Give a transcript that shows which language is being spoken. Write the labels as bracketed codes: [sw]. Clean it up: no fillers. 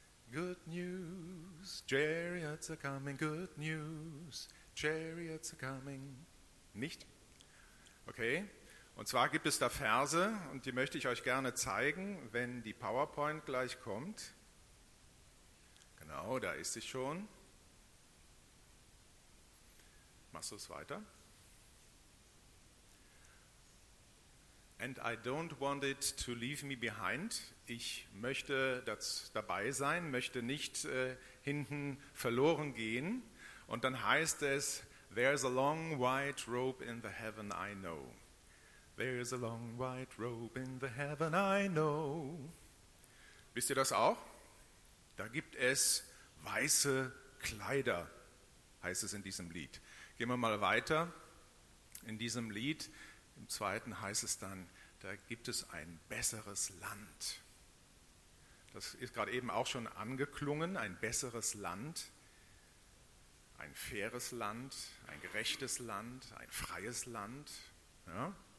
[en] Good News, Chariots are coming, Good News, Chariots are coming. [de] Nicht? Okay, und zwar gibt es da Verse und die möchte ich euch gerne zeigen, wenn die PowerPoint gleich kommt. Genau, da ist sie schon. Machst du es weiter? [en] And I don't want it to leave me behind. [de] Ich möchte dabei sein, möchte nicht hinten verloren gehen. Und dann heißt es, [en] there's a long white robe in the heaven I know. There's a long white robe in the heaven I know. [de] Wisst ihr das auch? Da gibt es weiße Kleider, heißt es in diesem Lied. Gehen wir mal weiter in diesem Lied. Im zweiten heißt es dann, da gibt es ein besseres Land. Das ist gerade eben auch schon angeklungen, ein besseres Land, ein faires Land, ein gerechtes Land, ein freies Land. Ja.